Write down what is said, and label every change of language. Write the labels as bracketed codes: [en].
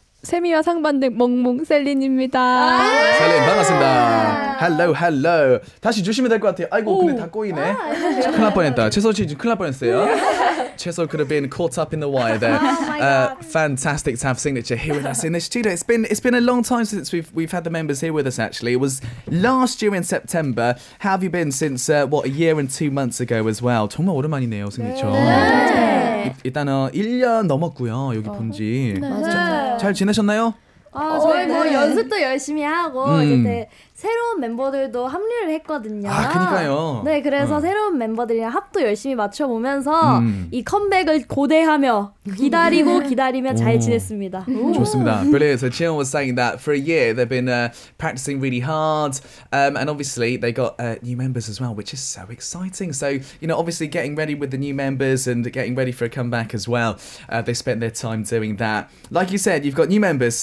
[ko] 세미와 상반된 멍멍 셀린입니다. 아~ 셀린 반갑습니다. 헬로 헬로. 다시 주시면 될 것 같아요. 아이고 근데 다 꼬이네. 아, 큰일 날 뻔했다. 채솔 씨 지금 큰일 날 뻔했어요. [en] 채솔 could have been caught up in the wire there. Fantastic to have Signature here with us in the studio. It's been a long time since we've had the members here with us actually. It was last year in September. How have you been since, what, a year and two months ago as well? [ko] 정말 오랜만이네요, Signature. 네. 일단 1년 넘었고요, 여기 본 지. 맞아요. 잘 지내셨나요? 저희 뭐 연습도 열심히 하고 이제 새로운 멤버들도 합류를 했거든요. 아, 그니까요. 네, 그래서 새로운 멤버들이랑 합도 열심히 맞춰보면서 이 컴백을 고대하며 기다리고 기다리며 잘 지냈습니다. 좋습니다. [en] Brilliant. So Chiyeon was saying that for a year they've been practicing really hard and obviously they got new members as well, which is so exciting. So, you know, obviously getting ready with the new members and getting ready for a comeback as well. They spent their time doing that. Like you said, you've got new members.